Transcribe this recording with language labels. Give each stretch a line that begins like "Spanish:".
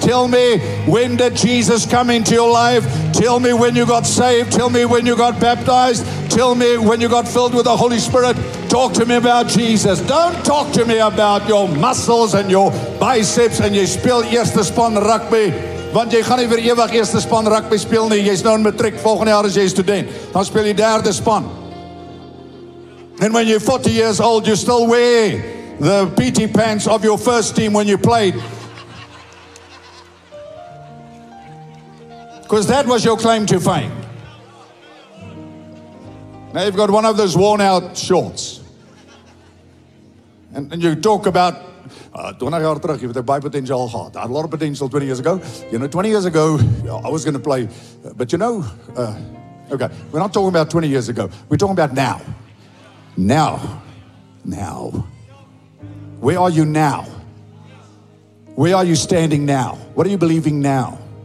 English: Tell me, when did Jesus come into your life? Tell me when you got saved. Tell me when you got baptized. Tell me when you got filled with the Holy Spirit. Talk to me about Jesus. Don't talk to me about your muscles and your biceps and you
Afrikaans: speel eerste span rugby. Want jy gaan nie vir ewig eerste span rugby speel nie. Jy is nou in matriek. Volgende jaar as jy student, dan speel jy derde span.
English: And when you're 40 years old, you still wear the PT pants of your first team when you played. Because that was your claim to fame. Now you've got one of those worn out shorts. And you talk about
Afrikaans: 20 jaar terug, jy het 'n baie potensiaal gehad.
English: A lot of potential 20 years ago. You know, 20 years ago, I was going to play. But you know, okay, we're not talking about 20 years ago. We're talking about now. Now, where are you now? Where are you standing now? What are you believing now?